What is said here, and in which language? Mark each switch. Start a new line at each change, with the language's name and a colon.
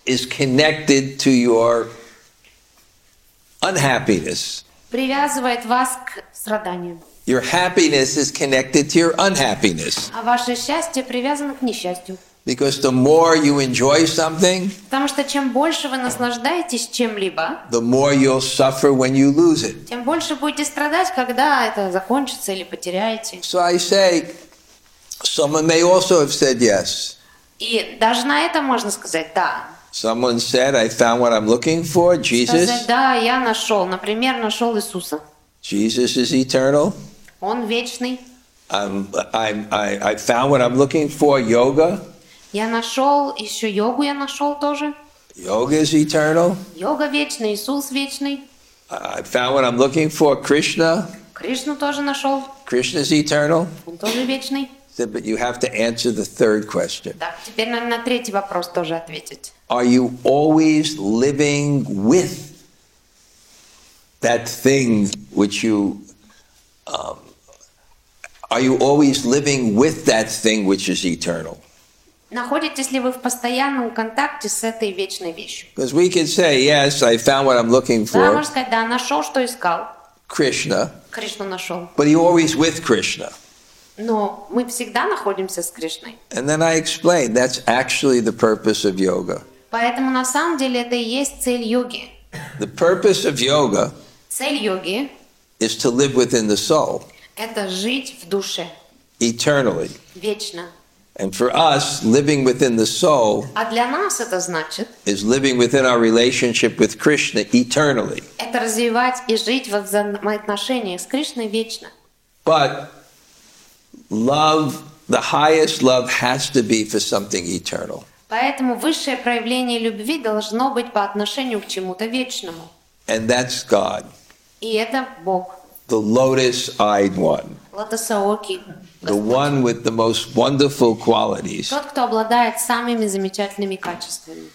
English: is connected to your unhappiness.
Russian: Привязывает вас к страданиям.
English: Your happiness is connected to your unhappiness.
Russian: А ваше счастье привязано к несчастью.
English: Because the more you enjoy something,
Russian: Потому что чем больше вы наслаждаетесь чем-либо,
English: the more you'll suffer when you lose it.
Russian: Тем больше будете страдать, когда это закончится или потеряете.
English: So I say, someone may also have said yes.
Russian: И даже на это можно сказать да.
English: Someone said, I found what I'm looking for, Jesus.
Russian: Сказать, да, я нашел, например, нашел Иисуса.
English: Jesus is eternal.
Russian: Он вечный.
English: I found what I'm looking for, yoga.
Russian: Я нашел, еще йогу я нашел тоже.
English: Yoga is eternal.
Russian: Йога вечная, Иисус вечный.
English: I found what I'm looking for, Krishna.
Russian: Кришну тоже нашел.
English: Krishna is eternal.
Russian: Он тоже вечный.
English: So, but you have to answer the third question.
Russian: Так, теперь надо на третий вопрос тоже ответить.
English: Are you always living with that thing which you... are you always living with that thing which is eternal?
Russian: Находитесь ли вы в постоянном контакте с этой вечной вещью?
English: Because we can say, yes, I found what I'm looking for.
Russian: Да, можно сказать, да, нашел, что искал.
English: Krishna.
Russian: Кришну нашел.
English: But are you always with Krishna?
Russian: Но мы всегда находимся с Кришной.
English: And then I explain, that's actually the purpose of yoga.
Russian: Поэтому на самом деле это и есть цель йоги.
English: The purpose of yoga
Russian: цель йоги
English: is to live within the soul.
Russian: Это жить в душе.
English: Eternally.
Russian: Вечно.
English: And for us, living within the soul
Russian: А для нас это значит,
English: is living within our relationship with Krishna eternally.
Russian: Это развивать и жить в взаимоотношениях с Кришной вечно.
English: But love, the highest love has to be for something eternal.
Russian: Поэтому высшее проявление любви должно быть по отношению к чему-то вечному.
English: And that's God.
Russian: И это Бог.
English: The lotus-eyed one.
Russian: Лотосоокий.
English: The one with the most wonderful qualities.
Russian: Тот, кто обладает самыми замечательными качествами.